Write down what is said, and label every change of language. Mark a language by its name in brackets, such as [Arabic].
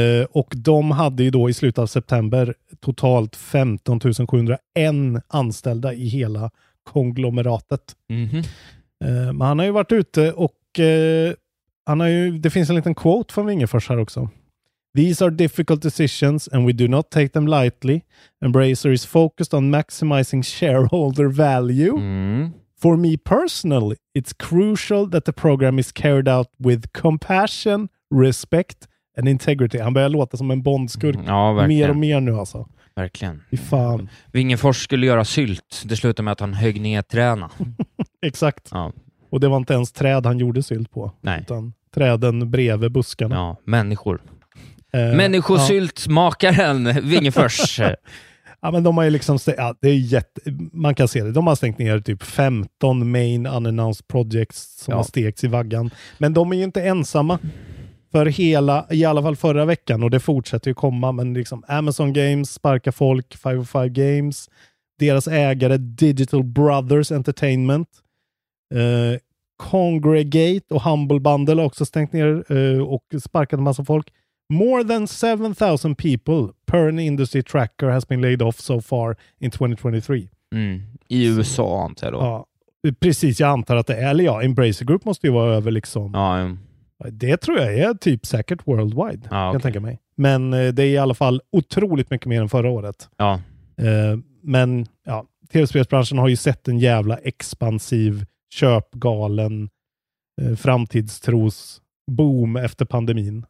[Swedish] Och de hade ju då i slutet av september totalt 15 701 anställda i hela konglomeratet. Mm-hmm. Men han har ju varit ute och han har ju, det finns en liten quote från Wingefors här också. [English] "These are difficult decisions and we do not take them lightly. Embracer is focused on maximizing shareholder value. Mm. For me personally, it's crucial that the program is carried out with compassion, respect and integrity." [Swedish] Han börjar låta som en bondskurk. Ja, verkligen. Mer och mer nu alltså. Verkligen. I fan. Wingefors skulle göra sylt. Det slutade med att han högg ner träna. Exakt. Ja. Och det var inte ens träd han gjorde sylt på. Nej. Utan träden bredvid buskarna. Ja, människor. Människosyltmakaren Wingefors. Ja, men de har ju liksom man kan se det. De har stängt ner typ 15 [English] main unannounced projects [Swedish] som har stekts i vaggan. Men de är ju inte ensamma. För hela, i alla fall förra veckan, och det fortsätter ju komma, men liksom Amazon Games sparkar folk, 505 Games, deras ägare Digital Brothers Entertainment, Kongregate och Humble Bundle har också stängt ner och sparkat en massa folk. [English] More than 7,000 people per an industry tracker has been laid off so far in 2023. [Swedish] Mm. I USA antar jag då. Ja, precis, jag antar att det är. Eller ja, Embracer Group måste ju vara över liksom. Ja, det tror jag är typ säkert worldwide. Ja, okay. Kan tänka mig. Men det är i alla fall otroligt mycket mer än förra året. Ja. Men ja, tv-spelsbranschen har ju sett en jävla expansiv, köpgalen, framtidstros boom efter pandemin.